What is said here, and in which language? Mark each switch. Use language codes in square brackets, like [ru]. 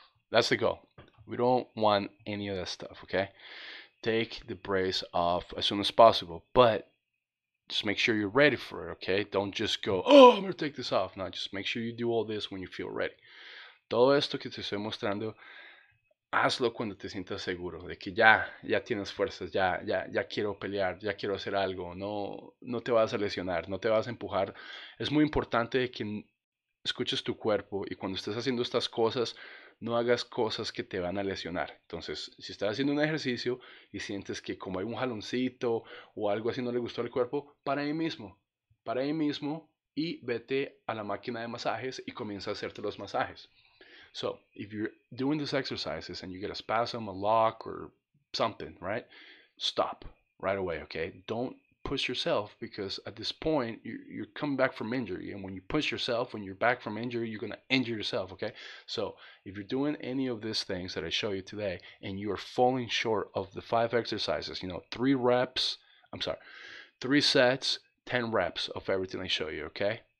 [en] That's the goal. We don't want any of that stuff, okay? Take the brace off as soon as possible, but just make sure you're ready for it, okay? Don't just go, oh, I'm gonna take this off. No, just make sure you do all this when you feel ready. [es] Todo esto que te estoy mostrando, hazlo cuando te sientas seguro de que ya tienes fuerzas, ya quiero pelear, ya quiero hacer algo. No te vas a lesionar, no te vas a empujar. Es muy importante que escuches tu cuerpo y cuando estés haciendo estas cosas, no hagas cosas que te van a lesionar. Entonces, si estás haciendo un ejercicio y sientes que como hay un jaloncito o algo así no le gustó al cuerpo, para ahí mismo y vete a la máquina de masajes y comienza a hacerte los masajes. [en] So, if you're doing these exercises and you get a spasm, a lock, or something, right? Stop right away, okay? Don't push yourself because at this point, you're coming back from injury. And when you push yourself, when you're back from injury, you're going to injure yourself, okay? So, if you're doing any of these things that I show you today and you are falling short of the 5 exercises, you know, 3 reps, I'm sorry, 3 sets, 10 reps of everything I show you, okay?